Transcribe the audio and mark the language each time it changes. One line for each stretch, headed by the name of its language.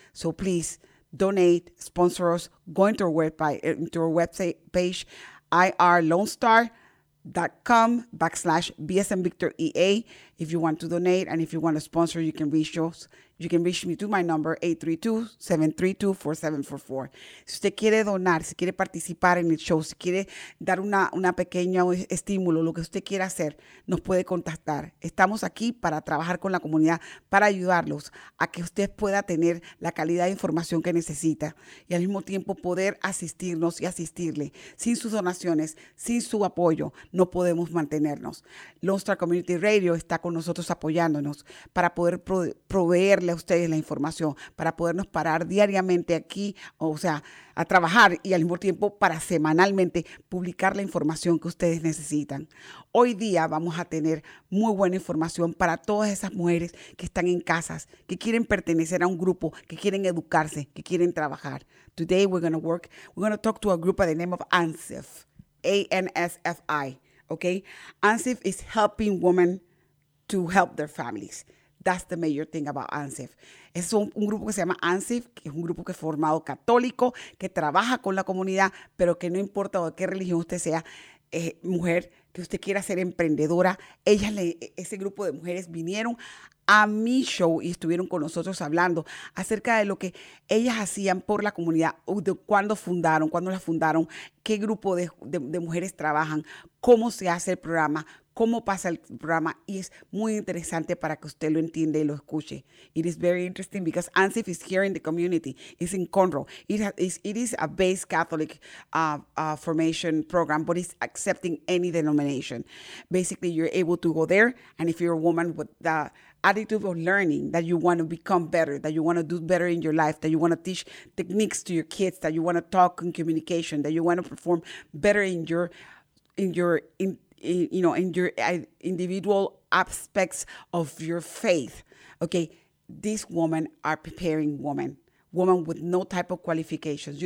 English: So please donate, sponsor us, go into our website page, irlonestar.com/BSMVictorEA. If you want to donate and if you want to sponsor, you can reach us. You can reach me to my number, 832-732-4744.
Spanish: Si usted quiere donar, si quiere participar en el show, si quiere dar una pequeña estímulo, lo que usted quiera hacer, nos puede contactar. Estamos aquí para trabajar con la comunidad, para ayudarlos a que usted pueda tener la calidad de información que necesita y al mismo tiempo poder asistirnos y asistirle. Sin sus donaciones, sin su apoyo, no podemos mantenernos. Lone Star Community Radio está con nosotros apoyándonos para poder proveerle a ustedes la información, para podernos parar diariamente aquí, o sea, a trabajar y al mismo tiempo para semanalmente publicar la información que ustedes necesitan. Hoy día vamos a tener muy buena información para todas esas mujeres que están en casas, que quieren pertenecer a un grupo, que quieren educarse, que quieren trabajar.
English: Today we're going to talk to a group by the name of ANSFI. ANSFI. Okay, ANSFI is helping women to help their families. That's the major thing about ANSFI.
Spanish: Es un grupo que se llama ANSFI, que es un grupo que es formado católico, que trabaja con la comunidad, pero que no importa de qué religión usted sea, mujer, que usted quiera ser emprendedora, ese grupo de mujeres vinieron a mi show y estuvieron con nosotros hablando acerca de lo que ellas hacían por la comunidad, de cuándo la fundaron, qué grupo de mujeres trabajan, cómo se hace el programa, cómo pasa el programa, y es muy interesante para que usted lo entienda y lo escuche.
English: It is very interesting because ANSFI is here in the community. It's in Conroe. It is a base Catholic formation program, but it's accepting any denomination. Basically, you're able to go there, and if you're a woman with the attitude of learning, that you want to become better, that you want to do better in your life, that you want to teach techniques to your kids, that you want to talk and communication, that you want to perform better in your individual aspects of your faith, okay, these women are preparing women with no type of qualifications.